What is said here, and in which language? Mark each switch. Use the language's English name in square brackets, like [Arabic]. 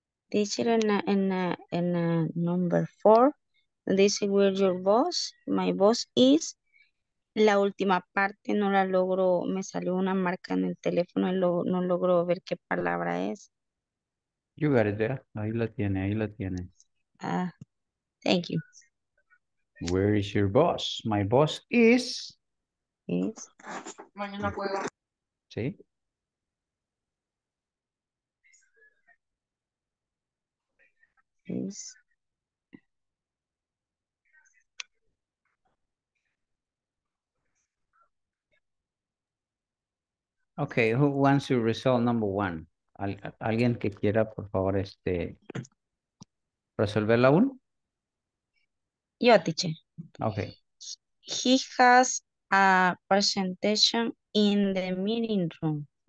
[English] This is in number four. This is where your boss, my boss is. [Spanish] La última parte no la logro, me salió una marca en el teléfono y no logro ver qué palabra es. [English] You got it there. [Spanish] Ahí la tiene, ahí la tiene. [English] Thank you. Where is your boss? My boss is... Is... [Spanish] Mañana puedo. Sí. [English] Is... Okay, who wants to resolve number one? [Spanish] Alguien que quiera, por favor, este, resolver la uno. Yo, teacher. [English] Okay. He has a presentation in the meeting room.